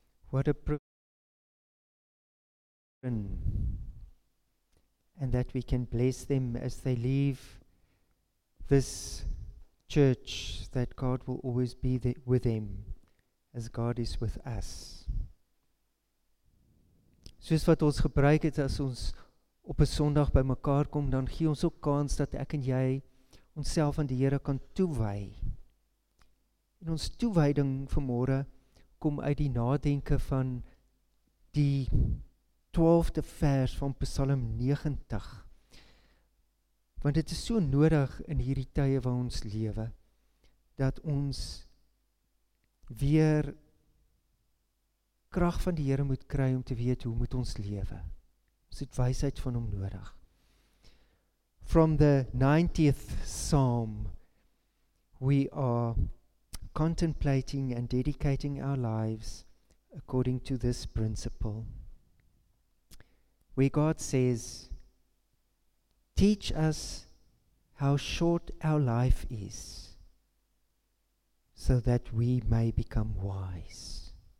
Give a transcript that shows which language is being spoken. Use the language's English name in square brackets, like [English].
[English] What a privilege, and that we can bless them as they leave this church, that God will always be with them as God is with us. [Afrikaans] Soos wat ons gebruik het as ons op 'n Sondag by mekaar kom, dan gee ons ook kans dat ek en jy onsself aan die Here kan toewy. En ons toewyding vanmôre kom uit die nadenke van die 12de vers van Psalm 90. Want dit is so nodig in hierdie tye waar ons lewe, dat ons weer krag van die Here moet kry om te weet hoe moet ons lewe. Ons het wysheid van hom nodig. [English] From the 90th Psalm, we are contemplating and dedicating our lives according to this principle, where God says, teach us how short our life is, so that we may become wise.